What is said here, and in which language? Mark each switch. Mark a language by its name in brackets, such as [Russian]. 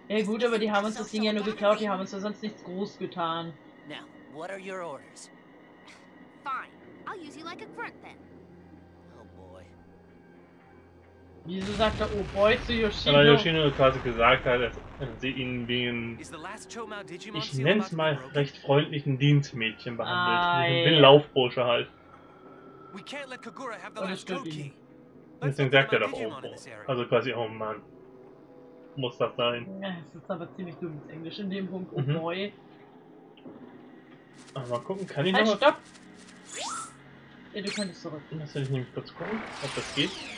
[German] Ja gut, aber die haben uns das Ding ja nur geklaut, die haben uns ja sonst nichts groß getan. [English] Now, what are your orders? Fine, I'll use you like a grunt then. [German] Oh boy. Wieso sagt er, [English] oh boy, [German] zu Yoshino? Weil Yoshino quasi gesagt hat, dass sie ihn wie ein, ich nenn's mal recht freundlichen Dienstmädchen behandelt. Wie ein Laufbursche halt. [English] We can't let Kagura have the last code key. [German] Deswegen sagt er doch, oh, also quasi, oh Mann, muss das sein. Ja, es ist aber ziemlich dumm ins Englisch in dem Punkt, [English] oh boy. [German] Aber mal gucken, kann ich nochmal... Stopp! Ja, du könntest zurück. Lass dich nämlich kurz gucken, ob das geht.